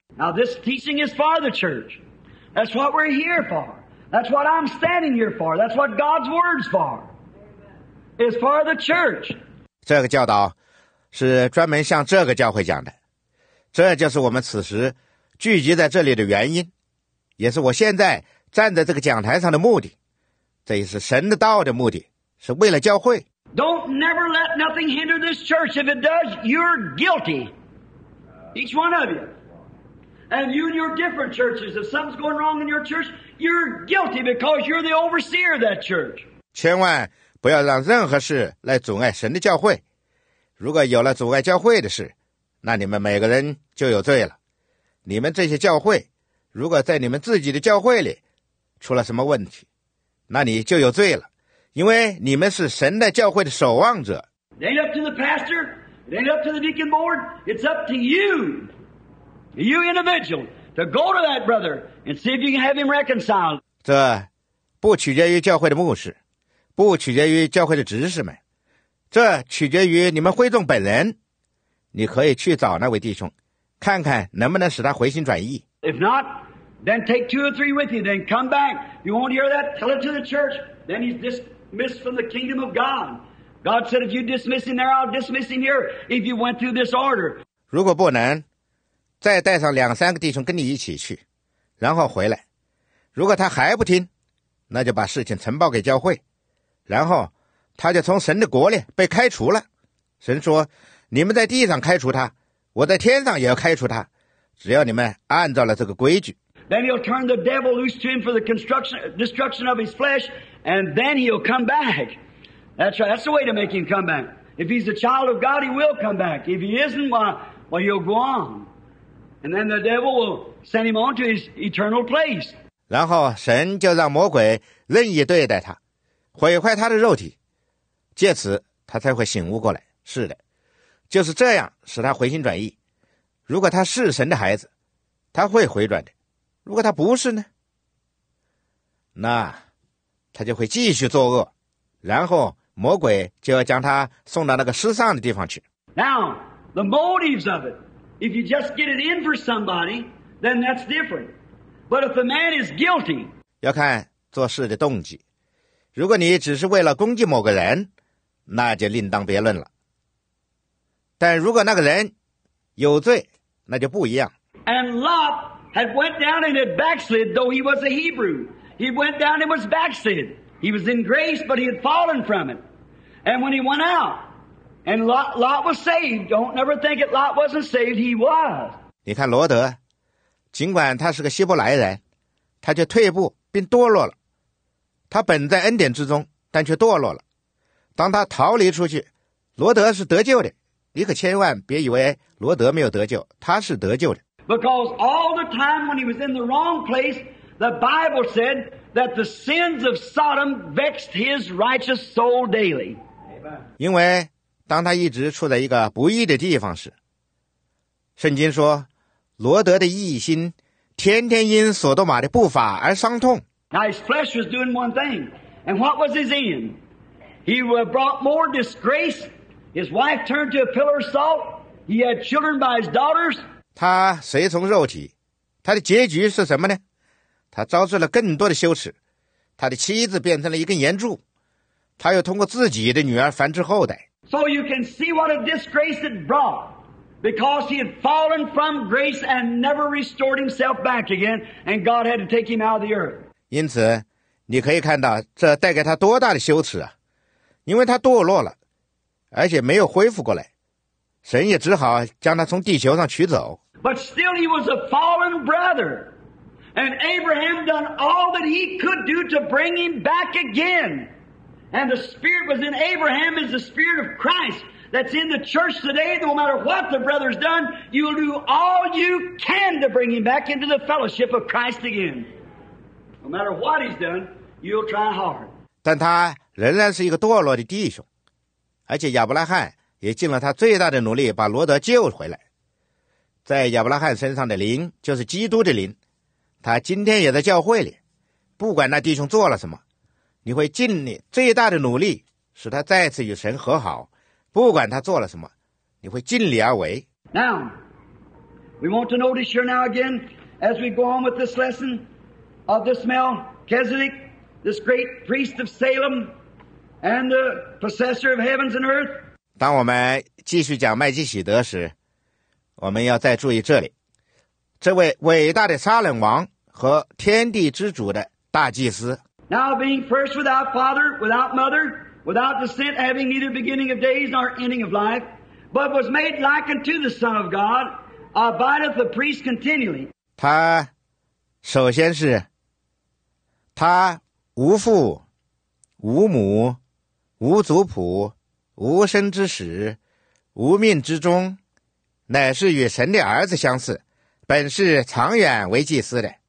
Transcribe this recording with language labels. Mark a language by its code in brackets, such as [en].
[en] Now, this teaching is for the church. That's what we're here for. That's what I'm standing here for. That's what God's word's for. It's for the church. [zh] 这个教导是专门向这个教会讲的。这就是我们此时聚集在这里的原因，也是我现在站在这个讲台上的目的。这也是神的道的目的，是为了教会。 [en] Don't never let nothing hinder this church. If it does, you're guilty. Each one of you. And you and your different churches, if something's going wrong in your church, you're guilty because you're the overseer of that church. [zh] 千万不要让任何事来阻碍神的教会。如果有了阻碍教会的事，那你们每个人就有罪了。你们这些教会，如果在你们自己的教会里出了什么问题，那你就有罪了，因为你们是神的教会的守望者。 [en] It ain't up to the pastor. It ain't up to the deacon board. It's up to you. You individual, to go to that brother and see if you can have him reconciled. [zh] 这不取决于教会的牧师，不取决于教会的执事们，这取决于你们会众本人。你可以去找那位弟兄，看看能不能使他回心转意。 [en] If not, then take two or three with you, then come back. You won't hear that, tell it to the church. Then he's dismissed from the kingdom of God. God said, if you dismiss him there, I'll dismiss him here, if you went through this order. [zh] 如果不能再带上两三个弟兄跟你一起去，然后回来。如果他还不听，那就把事情呈报给教会，然后他就从神的国里被开除了。神说，你们在地上开除他，我在天上也要开除他，只要你们按照了这个规矩。 [en] Then he'll turn the devil loose to him for the destruction of his flesh, and then he'll come back. That's right, that's the way to make him come back. If he's a child of God, he will come back. If he isn't, well, he'll go on. And then the devil will send him on to his eternal place. [zh] 然后神就让魔鬼任意对待他，毁坏他的肉体，借此他才会醒悟过来。是的，就是这样使他回心转意。如果他是神的孩子，他会回转的；如果他不是呢，那他就会继续作恶，然后魔鬼就要将他送到那个失丧的地方去。 [en] Now the motives of it. If you just get it in for somebody, then that's different. But if the man is guilty, [zh] 要看做事的动机。如果你只是为了攻击某个人，那就另当别论了。但如果那个人有罪，那就不一样。 [en] And Lot had went down and had backslid, though he was a Hebrew. He went down and was backslid. He was in grace, but he had fallen from it. And when he went out, and Lot was saved. Don't ever think that Lot wasn't saved. He was. [zh] 你看罗德，尽管他是个希伯来人，他却退步并堕落了。他本在恩典之中，但却堕落了。当他逃离出去，罗德是得救的。你可千万别以为罗德没有得救，他是得救的。 [en] Because all the time when he was in the wrong place, the Bible said that the sins of Sodom vexed his righteous soul daily. [zh] 因为当他一直处在一个不义的地方时，圣经说，罗德的义心天天因索多玛的不法而伤痛。 [en] Now his flesh was doing one thing, and what was his end? He brought more disgrace. His wife turned to a pillar of salt. He had children by his daughters. [zh] 他随从肉体，他的结局是什么呢？他招致了更多的羞耻，他的妻子变成了一根岩柱，他又通过自己的女儿繁殖后代。 [en] So you can see what a disgrace it brought, because he had fallen from grace and never restored himself back again, and God had to take him out of the earth. [zh] 因此，你可以看到这带给他多大的羞耻啊！因为他堕落了，而且没有恢复过来，神也只好将他从地球上取走。 [en] But still he was a fallen brother, and Abraham done all that he could do to bring him back again. And the spirit was in Abraham is the spirit of Christ that's in the church today. No matter what the brother's done, you'll do all you can to bring him back into the fellowship of Christ again. No matter what he's done, you'll try hard. [zh] 但他仍然是一个堕落的弟兄，而且亚伯拉罕也尽了他最大的努力把罗德救回来。在亚伯拉罕身上的灵就是基督的灵，他今天也在教会里，不管那弟兄做了什么。你会尽你最大的努力使他再次与神和好，不管他做了什么，你会尽力而为。 [en] Now, we want to notice here now again, as we go on with this lesson of this Melchizedek, this great priest of Salem, and the possessor of heavens and earth. [zh] 当我们继续讲麦基洗德时，我们要再注意这里，这位伟大的撒冷王和天地之主的大祭司。 [en] Now being first without father, without mother, without descent, having neither beginning of days nor ending of life, but was made like unto the Son of God, abideth the priest continually. [zh] 他首先是他无父无母无族谱无生之始无命之终，乃是与神的儿子相似，本是长远为祭司的。